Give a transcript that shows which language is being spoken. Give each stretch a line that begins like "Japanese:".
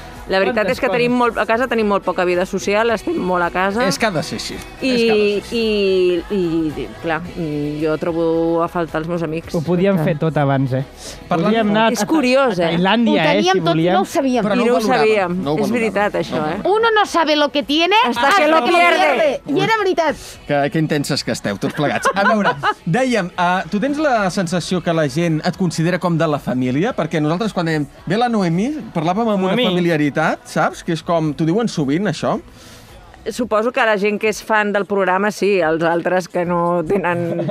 Catalan: La veritat és que tenim molt, a casa tenim molt poca vida social, estem molt a casa. És que ha de ser així. I clar, jo trobo a faltar els meus amics. Ho podíem fer tot abans, eh? Podríem anar és curiós, a Tailàndia, eh? Ho teníem si tot, no ho sabíem. Però no ho sabíem. No ho valorava. És veritat, això, eh?
Spanish: Uno no sabe lo que tiene hasta que lo pierde.
Catalan: I era veritat. Que intenses que esteu, tots plegats. A veure, dèiem, tu tens la sensació que la gent et considera com de la família? Perquè nosaltres quan dèiem, ve la Noemí, parlàvem amb una familiaritat. Saps? Que és com... T'ho diuen sovint, això? Suposo que la gent que és fan del programa, sí. Els altres que no tenen...